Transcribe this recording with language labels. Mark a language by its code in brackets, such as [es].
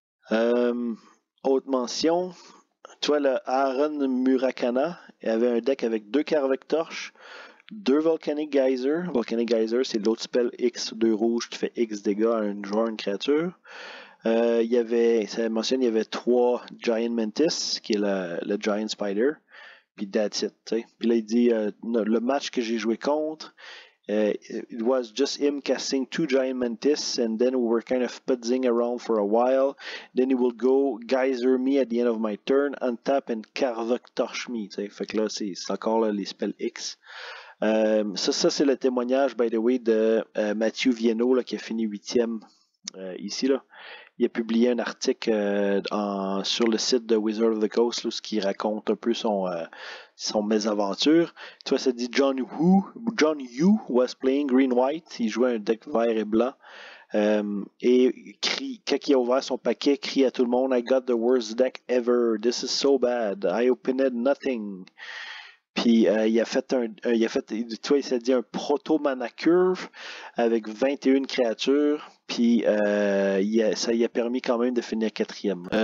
[fr] Autre mention, tu vois le Aaron Murakana, il avait un deck avec deux Karvek Torch, deux Volcanic Geyser. Volcanic Geyser, c'est l'autre spell X, 2 rouges, tu fais X dégâts à un joueur, une créature. Ça mentionne, il y avait 3 Giant Mantis, qui est le Giant Spider. Puis [en] that's it, [fr] tu sais. Puis là, il dit, le match que j'ai joué contre, [en] it was just him casting 2 Giant Mantis, and then we were kind of putzing around for a while. Then he will go Geyser me at the end of my turn, untap and Karvek Torch me, [fr] tu sais. Fait que là, c'est encore là, les spells X. Ça c'est le témoignage, [en] by the way, [fr] de Mathieu Viennot, là, qui a fini 8e ici. Là. Il a publié un article sur le site de Wizard of the Coast, là, où il raconte un peu son mésaventure. Tu vois, ça dit John Yu [en] was playing green-white. [fr] Il jouait un deck vert et blanc. Quand il a ouvert son paquet, il crie à tout le monde, « [en] I got the worst deck ever. This is so bad. I opened nothing. [fr] » Puis il s'est dit un proto mana curve avec 21 créatures, puis ça lui a permis quand même de finir 4e.